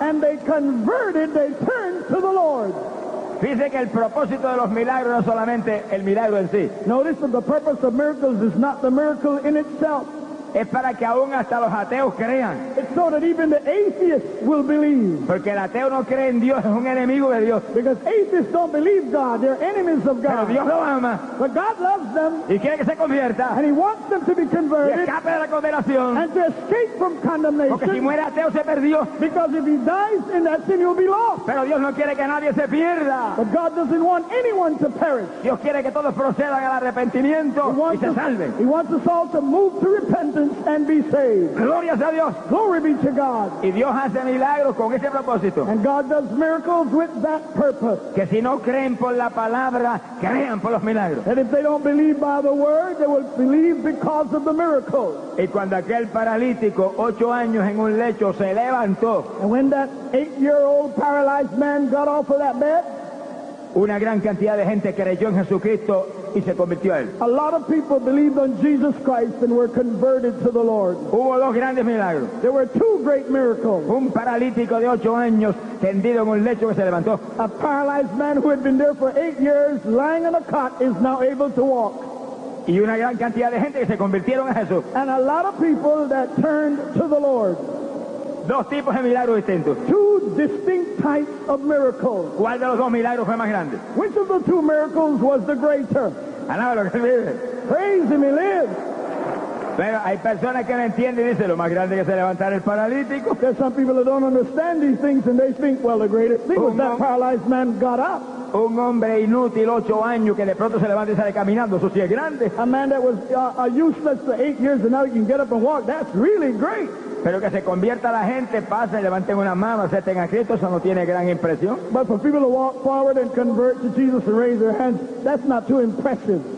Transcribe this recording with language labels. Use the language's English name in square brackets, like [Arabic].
[English] And they converted, they turned to the Lord. [Spanish] Dice que el propósito de los milagros no es solamente el milagro en sí. [English] Notice that the purpose of miracles is not the miracle in itself. [Spanish] Es para que aún hasta los ateos crean. [English] It's so that even the atheists will believe. [Spanish] Porque el ateo no cree en Dios, es un enemigo de Dios. [English] Because atheists don't believe God, they're enemies of God. [Spanish] Pero Dios lo ama. [English] But God loves them. [Spanish] Y quiere que se convierta. [English] And he wants them to be converted. [Spanish] Y escape de la condenación. [English] And to escape from condemnation. [Spanish] Porque si muere ateo se perdió. [English] Because if he dies in that sin, he'll be lost. [Spanish] Pero Dios no quiere que nadie se pierda. [English] But God doesn't want anyone to perish. [Spanish] Dios quiere que todos procedan al arrepentimiento y se salven. [English] He wants us all to move to repentance and be saved. [Spanish] Gloria a Dios. [English] Glory be to God. [Spanish] Y Dios hace milagros con ese propósito. [English] And God does miracles with that purpose. [Spanish] Que si no creen por la palabra, crean por los milagros. [English] And if they don't believe by the word, they will believe because of the miracles. [Spanish] Y cuando aquel paralítico, 8 años en un lecho, se levantó. [English] And when that 8-year-old paralyzed man got off of that bed, [Spanish] una gran cantidad de gente creyó en Jesucristo y se convirtió a él. [English] A lot of people believed on Jesus Christ and were converted to the Lord. [Spanish] Hubo 2 grandes milagros. [English] There were 2 great miracles. [Spanish] Un paralítico de 8 años tendido en un lecho que se levantó. [English] A paralyzed man who had been there for 8 years lying on a cot is now able to walk. [Spanish] Y una gran cantidad de gente que se convirtieron a Jesús. [English] And a lot of people that turned to the Lord. [Spanish] 2 tipos de milagros distintos. [English] 2 distinct types of miracles. [Spanish] ¿Cuál de los 2 milagros fue más grande? [English] Which of the 2 miracles was the greater? [Spanish] Alábalo que vive. [English] Praise him, he lives. [Spanish] Pero hay personas que no entienden y dicen, lo más grande que se levantara el paralítico. [English] There's some people that don't understand these things and they think, well, the greatest thing was that paralyzed man got up. [Spanish] Un hombre inútil 8 años que de pronto se levanta y sale caminando, eso sí es grande. [English] A man that was useless for 8 years and now he can get up and walk, that's really great. [Spanish] Pero que se convierta la gente, pase, levanten una mano, acepten a Cristo, eso no tiene gran impresión. [English] But for people to walk forward and convert to Jesus and raise their hands, that's not too impressive.